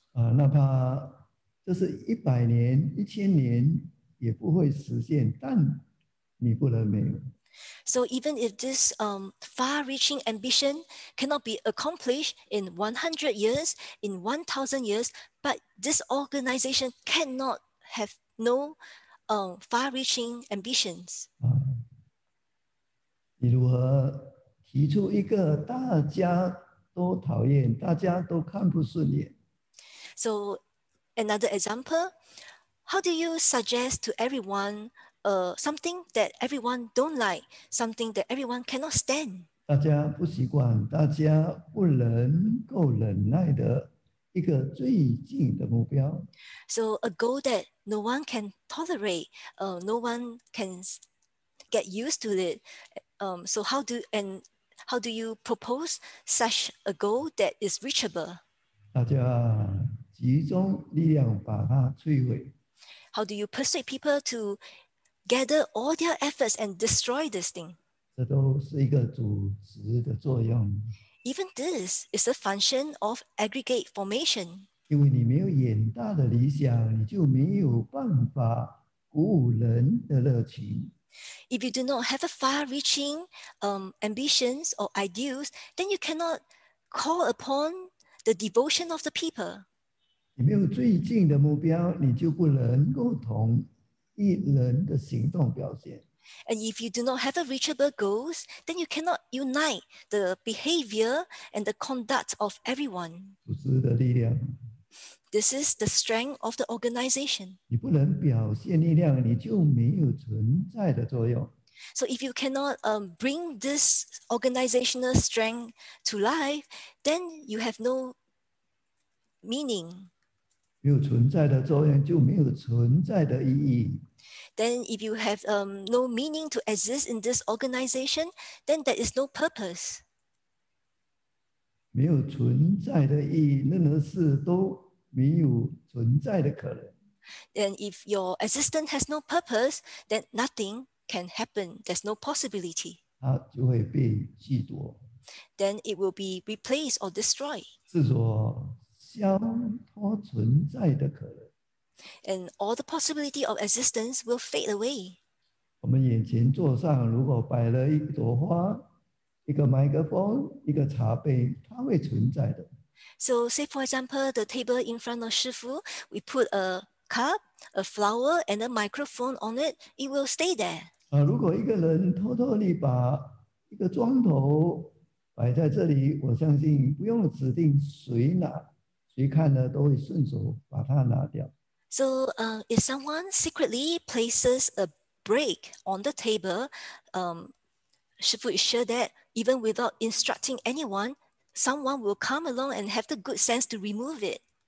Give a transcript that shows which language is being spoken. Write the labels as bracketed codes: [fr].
[zh] 哪怕这是一百年、一千年也不会实现，但你不能没有。 [en] So even if this far-reaching ambition cannot be accomplished in 100 years, in 1,000 years, but this organization cannot have no far-reaching ambitions. [zh] 你如何提出一个大家都讨厌、大家都看不顺眼？ [en] So another example, how do you suggest to everyone something that everyone don't like, something that everyone cannot stand? [zh] 大家不习惯、大家不能够忍耐的一个最近的目标。 [en] So a goal that no one can tolerate, no one can get used to it. So how do you propose such a goal that is reachable? [zh] 大家集中力量把它摧毁。 [en] How do you persuade people to gather all their efforts and destroy this thing? [zh] 这都是一个组织的作用。 [en] Even this is a function of aggregate formation. [zh] 因为你没有远大的理想，你就没有办法鼓舞人的热情。 [en] If you do not have a far-reaching ambitions or ideals, then you cannot call upon the devotion of the people. [zh] 你没有最近的目标，你就不能够同一人的行动表现。 [en] And if you do not have a reachable goals, then you cannot unite the behavior and the conduct of everyone. [zh] 组织的力量。 [en] This is the strength of the organization. [zh] 你不能表现力量，你就没有存在的作用。 [en] So if you cannot bring this organizational strength to life, then you have no meaning. [zh] 没有存在的作用，就没有存在的意义。 [en] Then if you have no meaning to exist in this organization, then there is no purpose. [zh] 没有存在的意义，任何事都没有存在的可能。 [en] Then if your existence has no purpose, then nothing can happen. There's no possibility. [zh] 它就会被剥夺。 [en] Then it will be replaced or destroyed. [zh] 是说消脱存在的可能。 [en] And all the possibility of existence will fade away. [zh] 我们眼前桌上如果摆了一朵花、一个麦克风、一个茶杯，它会存在的。 [en] So, say for example, the table in front of Shifu, we put a cup, a flower, and a microphone on it. It will stay there. [zh] 如果一个人偷偷地把一个砖头摆在这里，我相信不用指定谁拿，谁看呢都会顺手把它拿掉。 [en] So, if someone secretly places a break on the table, Shifu is sure that even without instructing anyone, someone will come along and have the good sense to remove it.